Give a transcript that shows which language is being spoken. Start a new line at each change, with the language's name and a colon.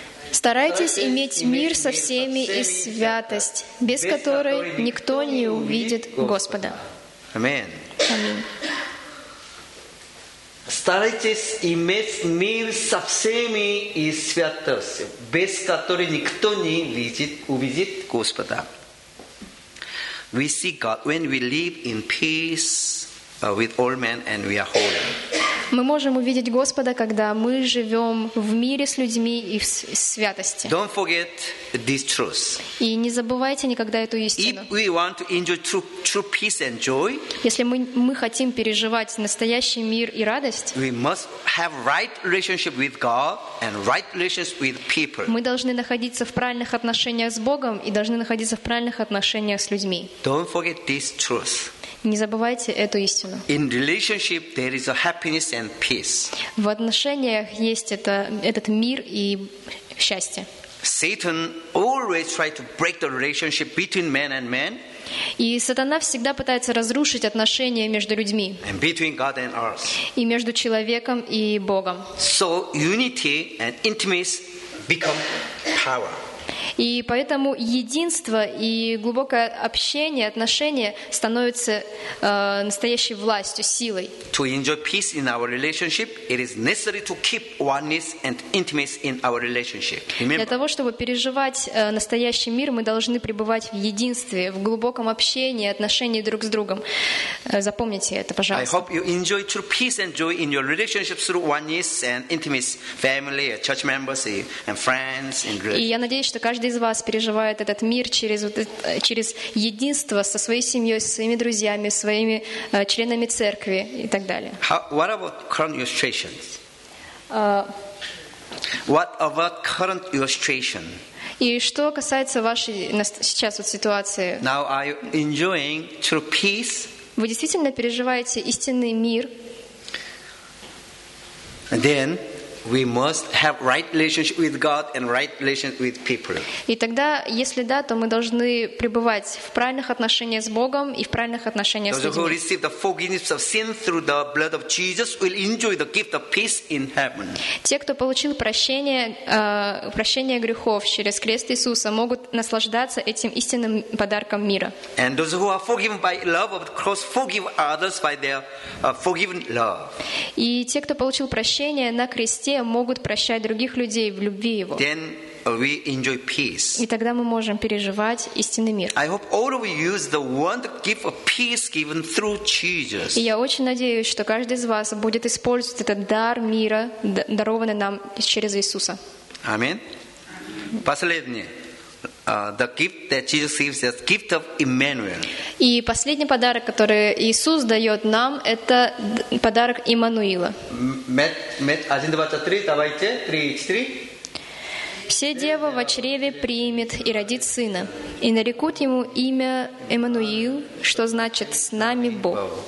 Russian: Старайтесь иметь мир со всеми и святость, без которой никто не увидит Господа. Аминь. Старайтесь иметь мир со всеми и святостью, без которой никто не увидит Господа.
English: We see God when we live in peace with all men and we are holy.
Russian: Мы можем увидеть Господа, когда мы живем в мире с людьми и в святости.
English: Don't forget this truth.
Russian: И не забывайте никогда эту истину.
English: If we want to enjoy true peace and joy,
Russian: если мы хотим переживать настоящий мир и радость,
English: we must have right relationship with God and right relationship with people.
Russian: Мы должны находиться в правильных отношениях с Богом и должны находиться в правильных отношениях с людьми.
English: Don't forget this truth.
Russian: Не забывайте эту истину.
English: In relationship there is a happiness and peace.
Russian: В отношениях есть этот мир и счастье.
English: Satan always tries to break the relationship between man and man.
Russian: И сатана всегда пытается разрушить отношения между людьми.
English: And between God and us.
Russian: И между человеком и Богом.
English: So unity and intimacy become power.
Russian: И поэтому единство и глубокое общение, отношения становятся настоящей властью, силой.
English: To enjoy peace in our relationship, it is necessary to keep oneness and intimacy in our relationship. Remember?
Russian: Для того, чтобы переживать настоящий мир, мы должны пребывать в единстве, в глубоком общении, отношении друг с другом. Запомните это, пожалуйста.
English: I hope you enjoy true peace and joy in your relationship through oneness and intimacy, family, church members, and friends.
Russian: И я надеюсь, что каждый из вас переживает этот мир через единство со своей семьей, со своими друзьями, своими членами церкви и так далее.
English: What about current illustrations? What about current illustration?
Russian: И что касается вашей сейчас вот ситуации?
English: Now are you enjoying true peace?
Russian: Вы действительно переживаете истинный мир?
English: Then we must have right relationship with God and right relationship with people.
Russian: И тогда, если да, то мы должны пребывать в правильных отношениях с Богом и в правильных отношениях с людьми.
English: Those who receive the forgiveness of sin through the blood of Jesus will enjoy the gift of peace in heaven.
Russian: Те, кто получил прощение грехов через крест Иисуса, могут наслаждаться этим истинным подарком мира.
English: And those who are forgiven by love of the cross forgive others by their forgiven love.
Russian: И те, кто получил прощение на кресте, те могут прощать других людей в любви Его.
English: Then we enjoy peace.
Russian: И тогда мы можем переживать истинный мир.
English: I hope all of you use the wonderful gift of peace given through Jesus.
Russian: И я очень надеюсь, что каждый из вас будет использовать этот дар мира, дарованный нам через Иисуса. Аминь. Последнее.
English: The gift that Jesus gives is the gift of Emmanuel.
Russian: И последний подарок, который Иисус дает нам, это подарок Иммануила. Один, два, три, давайте. Три, четыре. Все девы в чреве примет и родит сына, и нарекут ему имя Иммануил, что значит «С нами Бог».